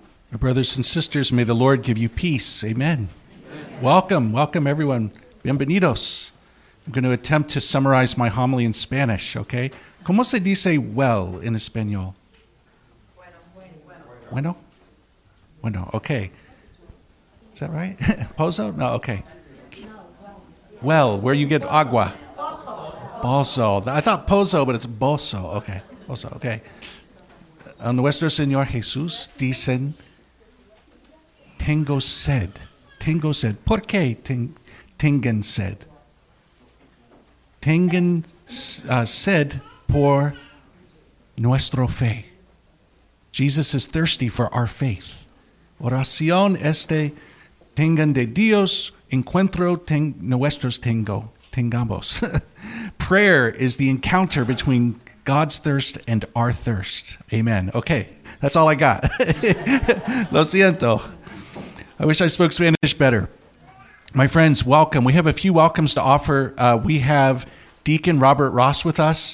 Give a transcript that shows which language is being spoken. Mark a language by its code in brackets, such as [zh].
[en] My brothers and sisters, may the Lord give you peace. Amen. Welcome. Welcome, everyone. [es] Bienvenidos. [en] I'm going to attempt to summarize my homily in Spanish, okay? [es] ¿Cómo se dice well in Espanol? Bueno. Bueno, [en] okay. Is that right? Pozo? No, okay. Well, where you get agua? Bozo. I thought pozo, but it's bozo. Okay. Bozo, okay. [es] A nuestro Señor Jesús dicen, Tengo sed. ¿Por qué tengan sed? Tengan sed por nuestro fe. [en] Jesus is thirsty for our faith. [es] Oración este tengan de Dios, encuentro nuestros tengo, tengamos. [en] Prayer is the encounter between God's thirst and our thirst. Amen. Okay, that's all I got. [es] Lo siento. [en] I wish I spoke Spanish better. My friends, welcome. We have a few welcomes to offer. We have Deacon Robert Ross with us.